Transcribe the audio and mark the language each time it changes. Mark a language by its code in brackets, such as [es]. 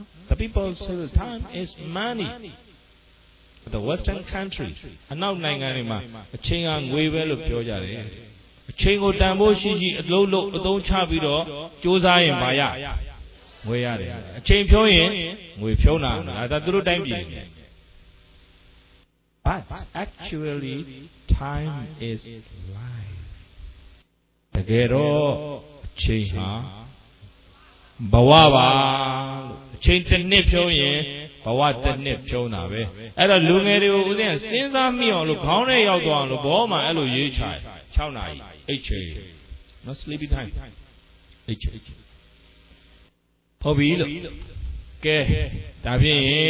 [en] the people say time is money the western countries [my] အနောက်နိုင်ငံတွေမှာအချိန်ကငွေပဲလို့ပြောကြတယ်အချိန်ကိုတန်ဖိုးရှိရှိအလုံးလုံးအသုံးချပြီးတော့စူးစမ်းရင်ဘာရငွေရတယ်အချိန်ဖြုံးရင်ငွေဖြုံးတာဒါသူတို့တိုင်းပြည် [en] but actually time is life [my] တကယ်တော့အချိန်ဟာဘဝပါလို့အချိန်တစ်နှစ်ဖြုံးရင်ဘဝတစ်နှစ်ဖြုံးတာပဲအဲ့တော့လူငယ်တွေကိုဦးဇင်းစဉ်းစားမိအောင်လို့ခေါင်းထဲရောက်သွားအောင်လို့ဘောမှအဲ့လိုရေးချင်6နာရီအိတ်ချေနော် [en] sleepy time [my] အိတ်ချေဟုတ်ပြီလို့ကဲဒါဖြင့်